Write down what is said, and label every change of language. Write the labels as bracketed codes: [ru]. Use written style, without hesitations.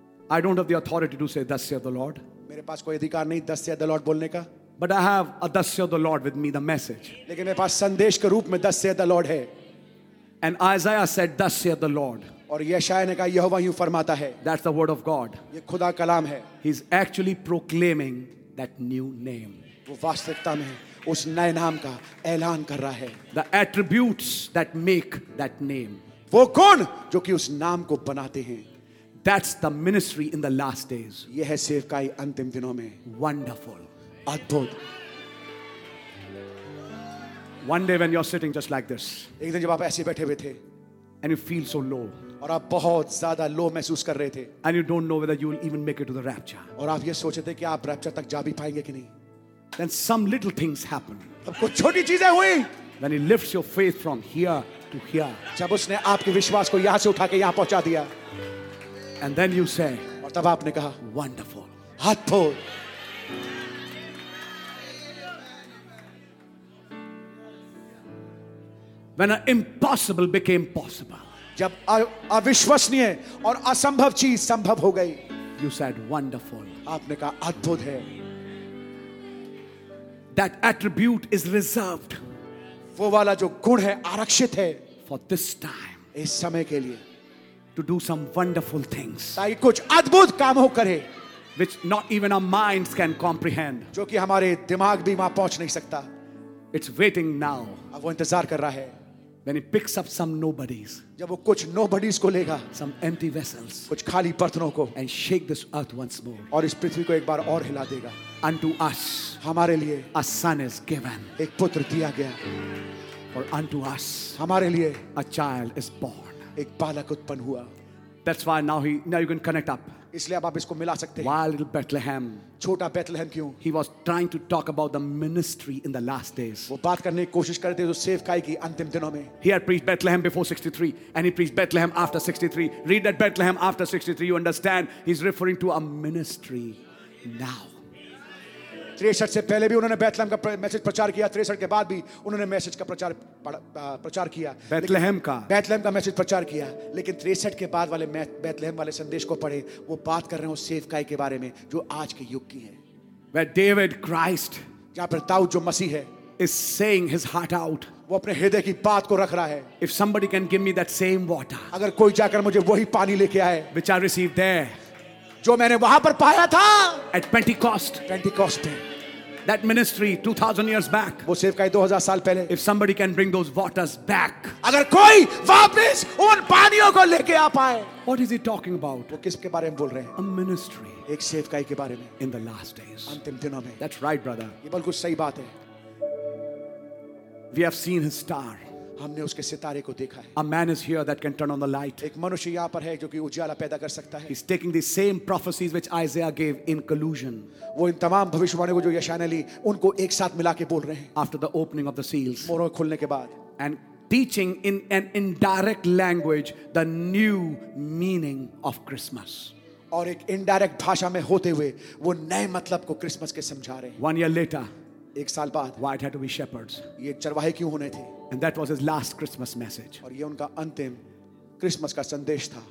[en] I don't have the authority to say thus saith the Lord. [hi] मेरे पास कोई अधिकार नहीं [en] thus saith the Lord [hi] बोलने का. [en] But I have a thus saith the Lord with me, the message. [hi] लेकिन मेरे पास संदेश के रूप में [en] thus saith the Lord [hi] है. [en] And Isaiah said thus saith the Lord. [hi] और यशायाह ने कहा यहोवा यूं फरमाता है. [en] That's the word of God. [hi] ये खुदा कलाम है. [en] He's actually proclaiming that new name. [hi] वो वास्तविकता में उस नए नाम का ऐलान कर रहा है. [en] The attributes that make that name. [hi] वो कौन जो कि उस नाम को बनाते हैं. [en] That's the ministry in the last days. [hi] यह है सेवकाई अंतिम दिनों में. [en] Wonderful. [hi] अद्भुत. [en] One day when you're sitting just like this. [hi] एक दिन जब आप ऐसे बैठे हुए थे. [en] And you feel so low. [hi] और आप बहुत ज़्यादा low महसूस कर रहे थे. [en] And you don't know whether you will even make it to the rapture. [hi] और आप ये सोच रहे थे कि आप rapture तक जा भी पाएंगे कि नहीं. [en] Then some little things happen. [hi] तब कुछ छोटी चीजें हुई. [en] When he lifts your faith from here to here. [hi] जब उसने आपके विश्वास को यहाँ से उठा के यहाँ पहुँचा दिया. [en] And then you say. [hi] और तब आपने कहा. [en] Wonderful. [hi] अद्भुत. [en] When an impossible became possible. [hi] जब अविश्वसनीय और असंभव चीज संभव हो गई. [en] You said wonderful. [hi] आपने कहा अद्भुत है. [en] That attribute is reserved. [hi] वो वाला जो गुण है आरक्षित है. [en] For this time. [hi] इस समय के लिए. [en] To do some wonderful things. [hi] ताकि कुछ अद्भुत काम हो करे. [en] Which not even our minds can comprehend. [hi] जो कि हमारे दिमाग भी वहां पहुंच नहीं सकता. [en] It's waiting now. [hi] अब वो इंतजार कर रहा है. [en] When he picks up some nobodies. [hi] जब वो कुछ nobodies को लेगा. [en] Some empty vessels. [hi] कुछ खाली बर्तनों को. [en] And shake this earth once more. [hi] और इस पृथ्वी को एक बार और हिला देगा. [en] Unto us. [hi] हमारे लिए. [en] A son is given. [hi] एक पुत्र दिया गया. [en] For unto us. [hi] हमारे लिए. [en] A child is born. [hi] एक बालक उत्पन्न हुआ. [en] That's why now you can connect up. [hi] इसलिए अब आप इसको मिला सकते हैं. [en] While little Bethlehem. [hi] छोटा बेथलहम क्यों? [en] He was trying to talk about the ministry in the last days. [hi] वो बात करने की कोशिश कर रहे थे जो सेवकाई की अंतिम दिनों में. [en] He had preached Bethlehem before 63 and he preached Bethlehem after 63. Read that Bethlehem after 63, you understand he's referring to a ministry now. [hi] 63 से पहले भी उन्होंने बेथलहम का मैसेज प्रचार किया. 63 के बाद भी उन्होंने मैसेज का प्रचार किया. बेथलहम का मैसेज प्रचार किया. लेकिन 63 के बाद वाले बेथलहम वाले संदेश को पढ़े, वो बात कर रहे हैं उस सेवकाई के बारे में जो आज के युग की है. [en] Where David Christ, [hi] जहां पर दाऊद जो मसीह है, [en] is saying his heart out. [hi] वो अपने हृदय की बात को रख रहा है. [en] If somebody can give me that same water, [hi] अगर कोई जाकर मुझे वही पानी लेके आए, [en] which I received there, [hi] जो मैंने वहां पर पाया था, [en] at Pentecost. That ministry 2000 years back. [hi] वो सेवकाई 2000 साल पहले. [en] If somebody can bring those waters back. [hi] अगर कोई वापस उन पानियों को लेके आ पाए. [en] What is he talking about? [hi] वो किसके बारे में बोल रहे हैं? [en] A ministry. [hi] एक सेवकाई के बारे में. [en] In the last days. [hi] अंतिम दिनों में. [en] That's right, brother. [hi] ये बिल्कुल सही बात है. [en] We have seen his star. [hi] हमने उसके सितारे को देखा है. [en] A man is here that can turn on the light. [hi] एक मनुष्य यहाँ पर है जो कि उजाला पैदा कर सकता है. [en] He's taking the same prophecies which Isaiah gave in collusion. [hi] वो इन तमाम भविष्यवाणियों को जो यशायाह ने ली, उनको एक साथ मिला के बोल रहे हैं. [en] After the opening of the seals. [hi] मोहरों के खुलने के बाद. [en] And teaching in an indirect language the new meaning of Christmas. [hi] और एक indirect भाषा में होते हुए वो नए मतलब को क्रिसमस के समझा रहे [en] हैं. One year later. [hi] एक साल बाद. [en] Why it had to be shepherds? [hi] ये चरवाहे क्यों होने थे? [en] And that was his last Christmas message. [hi] और ये उनका अंतिम क्रिसमस का संदेश था.